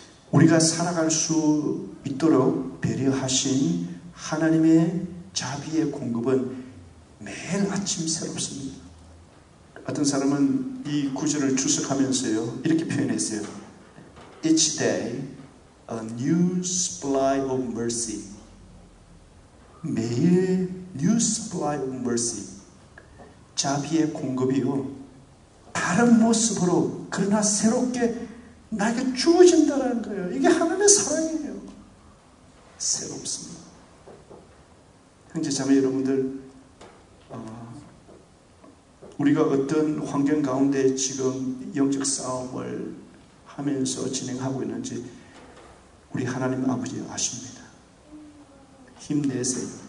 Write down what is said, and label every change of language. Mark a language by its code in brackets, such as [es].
[ko] 우리가 살아갈 수 있도록 배려하신 하나님의 자비의 공급은 매일 아침 새롭습니다. 어떤 사람은 이 구절을 추석하면서요 이렇게 표현했어요. [en] Each day a new supply of mercy. [ko] 매일 [en] new supply of mercy. [ko] 자비의 공급이요 다른 모습으로 그러나 새롭게 나에게 주어진다는 거예요. 이게 하나님의 사랑이에요. 새롭습니다. 형제 자매 여러분들 우리가 어떤 환경 가운데 지금 영적 싸움을 하면서 진행하고 있는지 우리 하나님 아버지 아십니다. 힘내세요.